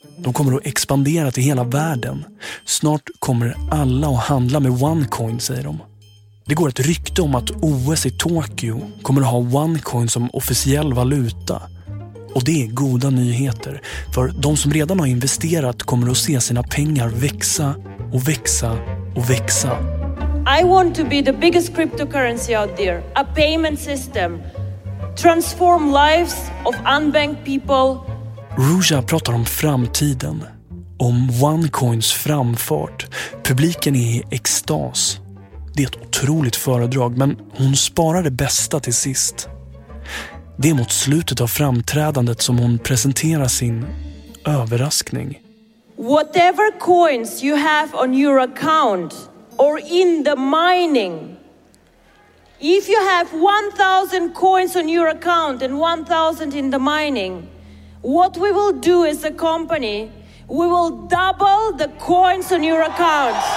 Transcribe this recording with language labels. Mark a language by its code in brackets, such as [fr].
[sv] De kommer att expandera till hela världen. Snart kommer alla att handla med OneCoin, säger de. Det går ett rykte om att OS i Tokyo kommer att ha OneCoin som officiell valuta. Och det är goda nyheter. För de som redan har investerat kommer att se sina pengar växa och växa och växa. [en] I want to be the biggest cryptocurrency out there. A payment system. Transform lives of unbanked people. [sv] Ruja pratar om framtiden, om OneCoins framfart. Publiken är i extas. Det är ett otroligt föredrag, men hon sparar det bästa till sist. Det är mot slutet av framträdandet som hon presenterar sin överraskning. [en] Whatever coins you have on your account or in the mining, if you have 1,000 coins on your account and 1,000 in the mining, what we will do as a company, we will double the coins on your account.